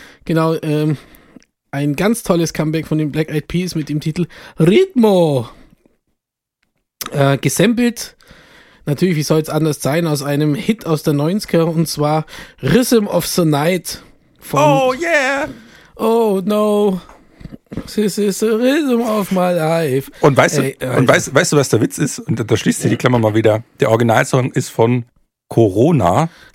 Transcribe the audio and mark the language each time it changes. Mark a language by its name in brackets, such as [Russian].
[German] Genau, ein ganz tolles Comeback von den Black Eyed Peas mit dem Titel Ritmo. Gesampelt, natürlich, wie soll es anders sein, aus einem Hit aus der 90er, und zwar Rhythm of the Night von [English] Oh yeah! Oh no! This is the rhythm of my life. [German] Und weißt du, was der Witz ist? Und da schließt sich die Klammer mal wieder. Der Originalsong ist von Corona.